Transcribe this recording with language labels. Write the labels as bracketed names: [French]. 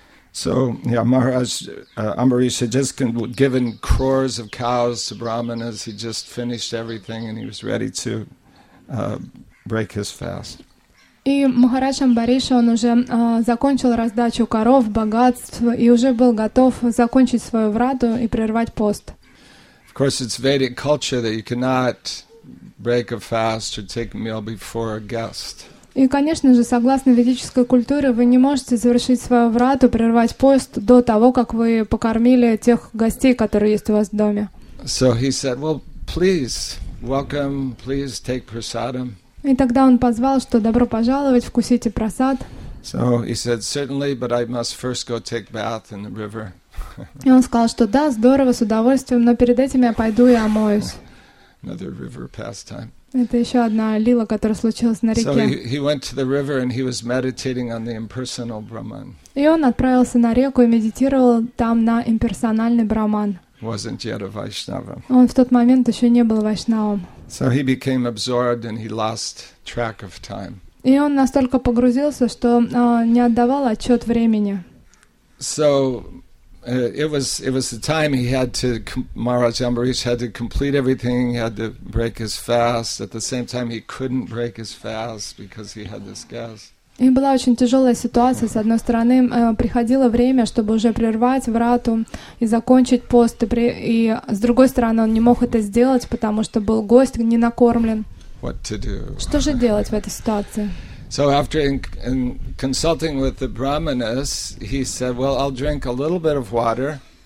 [English] So, yeah, Maharaj Amarish had just given crores of cows to brahmanas. He just finished everything and he was ready to break his fast. [Russian] И Махарадж Амбариша, он уже закончил раздачу коров, богатств и уже был готов закончить свою врату и прервать пост. [English] Of course, it's Vedic culture that you cannot break a fast or take a meal before a guest. [Russian] И, конечно же, согласно ведической культуре, вы не можете завершить свою врату, прервать пост до того, как вы покормили тех гостей, которые есть у вас в доме. [English] So he said, well, please, welcome, please take prasadam. [Russian] И тогда он позвал, что добро пожаловать, вкусите прасад. [English] So he said, certainly, but I must first go take bath in the river. [Russian] И он сказал, что да, здорово, с удовольствием, но перед этим я пойду и омоюсь. [English] Another river pastime. [Russian] Это еще одна лила, которая случилась на реке. [English] So he went to the river and he was meditating on the impersonal Brahman. [Russian] И он отправился на реку и медитировал там на имперсональный Брахман. [English] Wasn't yet a Vaishnava. [Russian] Он в тот момент еще не был Вайшнавом. [English] So he became absorbed and he lost track of time. [Russian] И он настолько погрузился, что не отдавал отчет времени. [English] So it was the time he had to Maharaj Amarish had to complete everything, he had to break his fast. At the same time, he couldn't break his fast because he had this guest. [Russian] И была очень тяжелая ситуация. С одной стороны, приходило время, чтобы уже прервать врату и закончить пост, и с другой стороны, он не мог это сделать, потому что был гость, не накормлен. [English] What to do? [Russian] Что же делать в этой ситуации? [English] So after in consulting with the brahmanas, he said, "Well, I'll drink a little bit of water.